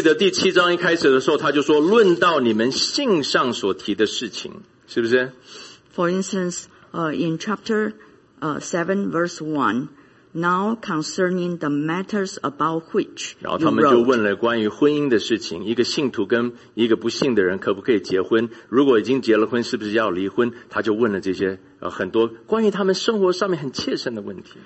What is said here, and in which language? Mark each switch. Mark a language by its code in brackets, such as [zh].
[zh] 记得第七章一开始的时候，他就说：“论到你们信上所提的事情，是不是？” [en] For instance, in chapter 7, verse 1, now concerning the matters about which you wrote. [zh] 然后他们就问了关于婚姻的事情：一个信徒跟一个不信的人可不可以结婚？如果已经结了婚，是不是要离婚？他就问了这些很多关于他们生活上面很切身的问题。